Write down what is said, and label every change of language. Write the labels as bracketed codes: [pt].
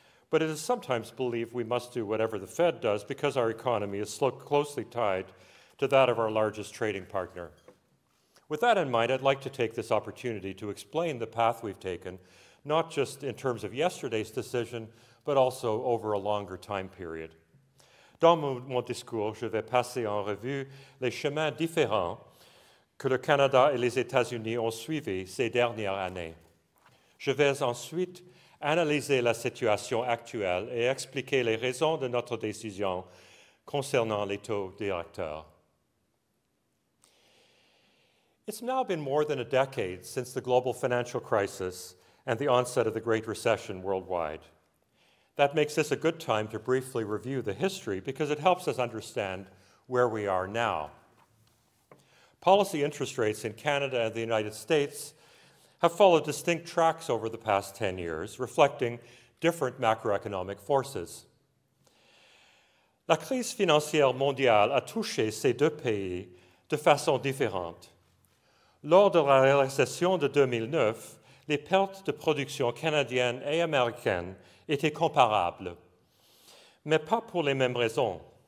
[en] But it is sometimes believed we must do whatever the Fed does because our economy is so closely tied to that of our largest trading partner. With that in mind, I'd like to take this opportunity to explain the path we've taken, not just in terms of yesterday's decision, but also over a longer time period. [fr] Dans mon discours, je vais passer en revue les chemins différents que le Canada et les États-Unis ont suivis ces dernières années. Je vais ensuite analyser la situation actuelle et expliquer les raisons de notre décision concernant les taux directeurs. [en] It's now been more than a decade since the global financial crisis and the onset of the Great Recession worldwide. That makes this a good time to briefly review the history because it helps us understand where we are now. Policy interest rates in Canada and the United States have followed distinct tracks over the past 10 years, reflecting different macroeconomic forces. [fr] La crise financière mondiale a touché ces deux pays de façon différente. Lors de la récession de 2009, les pertes de production canadiennes et américaines étaient comparables, mais pas pour les mêmes raisons.